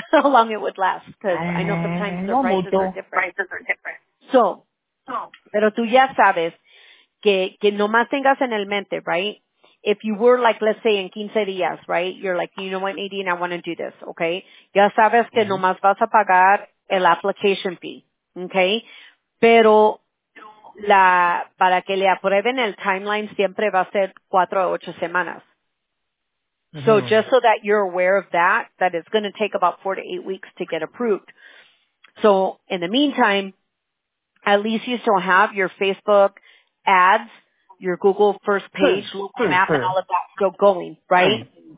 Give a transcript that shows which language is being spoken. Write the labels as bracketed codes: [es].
[en] How long it would last, because I know sometimes the prices are different. So... [es] Pero tú ya sabes que nomás tengas en el mente, right? [en] If you were, like, let's say in 15 días, right? You're like, you know what, Nadine, I want to do this, okay? [es] Ya sabes que nomás vas a pagar el application fee, okay? Pero la para que le aprueben el timeline siempre va a ser 4 a 8 semanas. [en] So just so that you're aware of that, that it's going to take about 4 to 8 weeks to get approved. So in the meantime, at least you still have your Facebook ads, your Google first page, Google map, and all of that still going, right?